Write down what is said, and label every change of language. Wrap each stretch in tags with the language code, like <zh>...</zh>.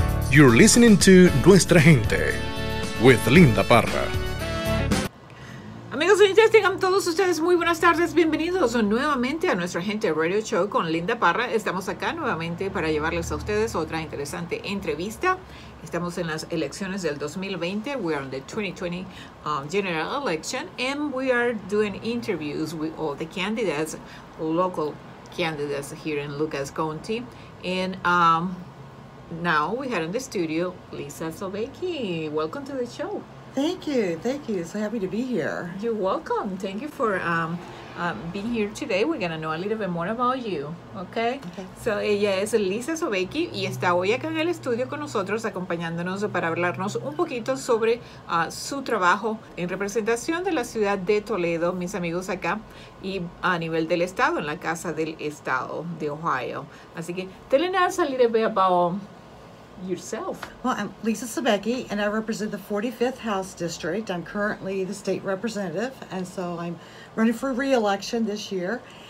<en>You're listening to Nuestra Gente with Linda Parra.</en> <es>Amigos oyentes, tengan todos ustedes muy buenas tardes. Bienvenidos nuevamente a Nuestra Gente Radio Show con Linda Parra. Estamos acá nuevamente para llevarles a ustedes otra interesante entrevista. Estamos en las elecciones del 2020.</es> <en>We are in the 2020 general election. And we are doing interviews with all the candidates, local candidates here in Lucas County. And now we have in the studio Lisa Sobecki. Welcome to the show. Thank you. So happy to be here. You're welcome. Thank you for being here today. We're gonna know a little bit more about you, okay?</en> <es>So ella es Lisa Sobecki y está hoy acá en el estudio con nosotros acompañándonos para hablarnos un poquito sobre su trabajo en representación de la ciudad de Toledo, mis amigos acá, y a nivel del estado, en la Casa del Estado de Ohio. Así que,</es> <en>telling us a little bit about yourself. Well, I'm Lisa Sobecki, and I represent the 45th House District. I'm currently the state representative, and so I'm running for re-election this year.</en>